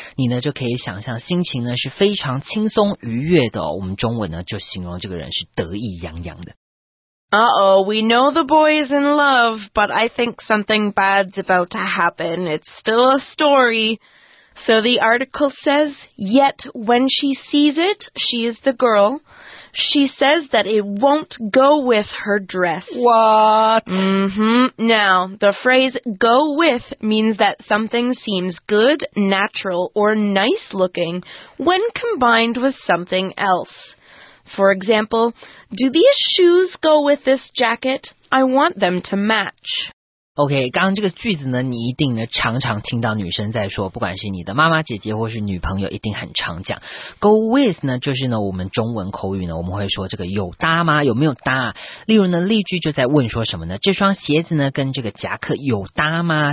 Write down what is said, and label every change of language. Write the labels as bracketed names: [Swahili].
[Chinese] 你呢就可以想象心情呢是非常轻松愉悦的。我们中文呢就形容这个人是得意洋洋的。 [English] Uh-oh, we know the boy is in love, but I think something bad's about to happen. It's still a story. So the article says, yet when she sees it, she is the girl, she says that it won't go with her dress. What? Mm-hmm. Now, the phrase go with means that something seems good, natural, or nice looking when combined with something else. For example, do these shoes go with this jacket? I want them to match. [Chinese] OK, 刚刚这个句子呢，你一定呢常常听到女生在说，不管是你的妈妈、姐姐或是女朋友，一定很常讲。 Go with 呢，就是呢我们中文口语呢，我们会说这个有搭吗？有没有搭？例如呢，例句就在问说什么呢？这双鞋子呢跟这个夹克有搭吗？